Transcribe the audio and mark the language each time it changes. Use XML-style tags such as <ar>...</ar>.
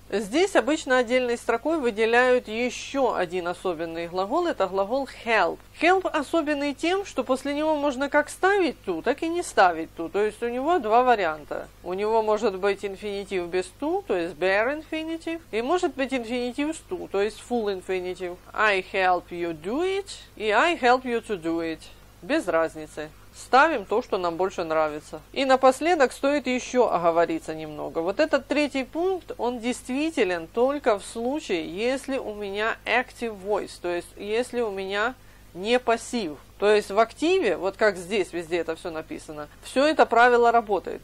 <ru>Здесь обычно отдельной строкой выделяют еще один особенный глагол, это глагол help. Help особенный тем, что после него можно как ставить to, так и не ставить to, то есть у него два варианта. У него может быть инфинитив без to, то есть bare infinitive, и может быть инфинитив с to, то есть full infinitive.</ru> <en>I help you do it, и I help you to do it.</en> <ru>Без разницы. Ставим то, что нам больше нравится. И напоследок стоит еще оговориться немного. Вот этот третий пункт, он действителен только в случае, если у меня active voice, то есть если у меня не пассив. То есть в активе, вот как здесь везде это все написано, все это правило работает.</ru>